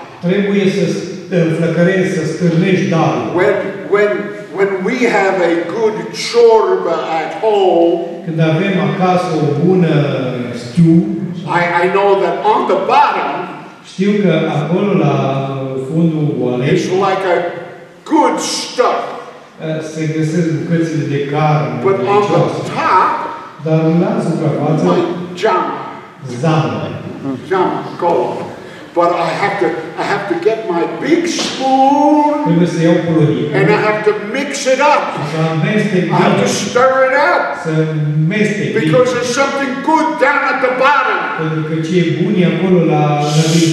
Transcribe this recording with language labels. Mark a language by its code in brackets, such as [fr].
[ro] Trebuie să înflăcărezi, să stârnești darul. [en] When we have a good ciorbă at home, [ro] când avem acasă o bună stiu, [en] I know that on the bottom, [ro] știu că acolo la fundul oalei, [en] it's like a good stuff. [ro] Se găsesc bucățile de carne. [en] But on the top, [ro] dar la suprafață, [en] my junk. [ro] Zamă. [en] Junk, gold. But I have to get my big spoon. [ro] Trebuie să iau pulărie. [en] And I have to mix it up. [ro] Să amestec. [en] I have to stir it up. [ro] Să amestec. [en] Because there's something good down at the bottom. [ro] Pentru că ce e bun e acolo la adâncime.